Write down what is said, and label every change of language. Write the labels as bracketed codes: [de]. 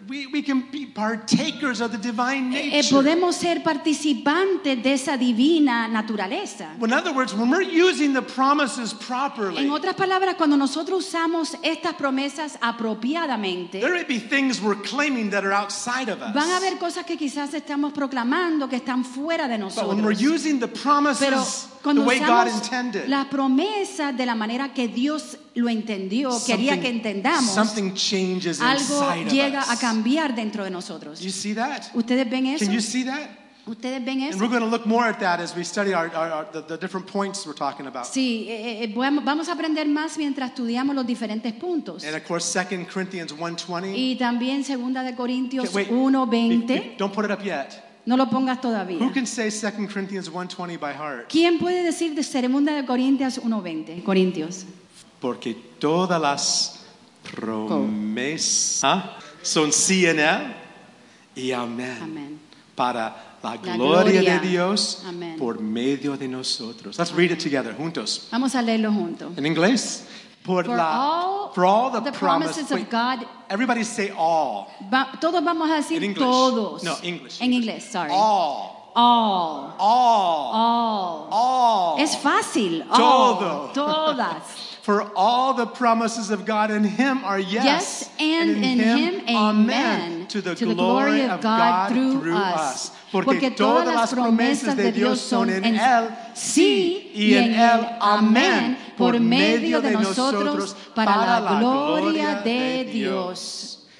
[en] we can be partakers of the divine nature. [es] Podemos ser participantes de esa divina naturaleza. [en] In other words, when we're using the promises properly. [es] En otras palabras, cuando nosotros usamos estas promesas apropiadamente. [en] There may be things we're claiming that are outside of us. [es] Van a haber cosas que quizás estamos proclamando que están fuera de nosotros. [en] But when we're using the promises the way God intended. [es] La promesa de la manera que Dios lo entendió, [en] something, [es] quería que entendamos, [en] something changes inside [es] algo llega [en] of us. [es] A cambiar dentro de nosotros. [en] You see that? [es] ¿Ustedes ven eso? [en] Can you see that? [es] ¿Ustedes ven eso? [en] And we're going to look more at that as we study the different points we're talking about. [es] Sí, vamos a aprender más mientras estudiamos los diferentes puntos. [en] And of course, 2 Corinthians 1:20. [es] Y también 2 Corintios 1:20. [en] Don't put it up yet. [es] No lo pongas todavía. [en] Who can say 2 Corinthians 1:20 by heart? [es] ¿Quién puede decir de 2 Corintios 1:20? Corintios. Porque todas las promesas son sí en él y amén. Amén. Para la gloria, de Dios. Amén. Por medio de nosotros. [en] Let's read it together, [es] juntos. Vamos a leerlo juntos. En inglés. [en] For all the promises of God. Everybody say all. [es] Todos vamos a decir [en] in English. [es] Todos. [en] No, English. [es] En inglés, sorry. [en] All. All. All. All. All. [es] Es fácil. Todo. [en] All. Todas. For all the promises of God in him are yes. Yes, and in him, amen. To the glory of God through us. [es] Porque todas las promesas de Dios son en él, sí, y en él, amen. Por medio de nosotros, para la gloria de Dios.